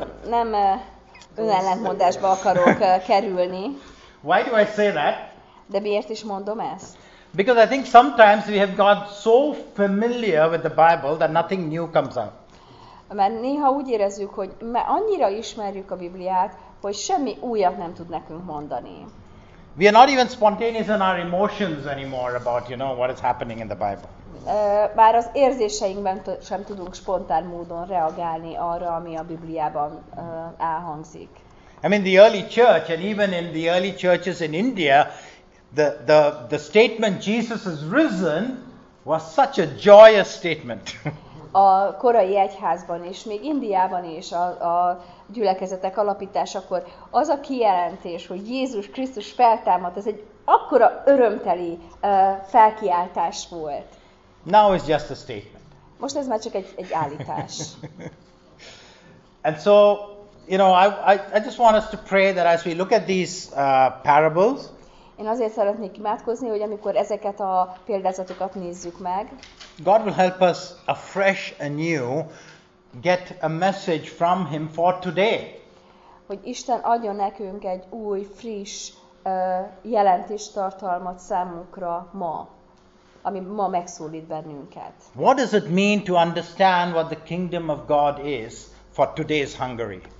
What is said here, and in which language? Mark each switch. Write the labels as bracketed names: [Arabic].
[Hungarian] nem önellentmondásba akarok kerülni. [English] Why do I say that? [Hungarian] De miért is mondom ezt? [English] Because I think sometimes we have got so familiar with the Bible that nothing new comes up. [Hungarian] Mert néha úgy érezzük, hogy annyira ismerjük a Bibliát, hogy semmi újat nem tud nekünk mondani. [English] We are not even spontaneous in our emotions anymore about, you know, what is happening in the Bible. [Hungarian] Bár az érzéseinkben sem tudunk spontán módon reagálni arra, ami a Bibliában elhangzik. [English] I mean the early church and even in the early churches in India, the statement Jesus is risen was such a joyous statement. [Hungarian] A korai egyházban és még Indiában is a gyülekezetek alapításakor az a kijelentés, hogy Jézus Krisztus feltámadt, ez egy akkora örömteli felkiáltás volt. [English] Now is just a statement. [Hungarian] Most ez már csak egy állítás. [English] And so, you know, I just want us to pray that as we look at these parables. [Hungarian] Én azért szeretnék imádkozni, hogy amikor ezeket a példázatokat nézzük meg. [English] God will help us afresh anew get a message from him for today. [Hungarian] Hogy Isten adjon nekünk egy új, friss jelentést tartalmat számunkra ma, ami ma megszólít bennünket. [English] What does it mean to understand what the kingdom of God is for today's Hungary?